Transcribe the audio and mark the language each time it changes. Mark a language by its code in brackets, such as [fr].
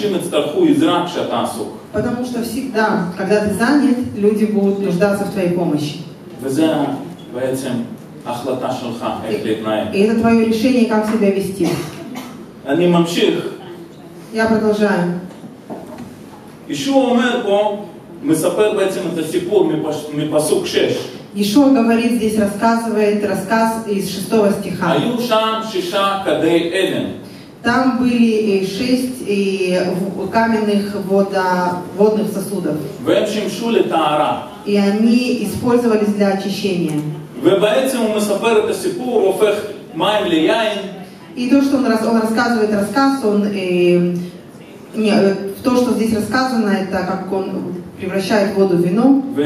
[ru] Потому что всегда, когда ты занят, люди будут нуждаться в твоей помощи. И это твое решение, как себя вести. [he] אני ממשיך. [ru] Я продолжаю. [he] Ишуа אומר פה, מספר בעצם את הסיפור מפסוק 6. [ru] Ишуа говорит здесь, рассказывает рассказ из 6 стиха. [he] היו שם שישה קדי אבן. [ru] Там были 6 каменных водных сосудов. [he] והם שימשו לטהרה. [ru] И они использовались для очищения. [he] ובעצם הוא מספר את הסיפור, הופך מים ליין. [ru] И то, что он рассказывает рассказ, то, что здесь рассказано, это как он превращает воду в вино.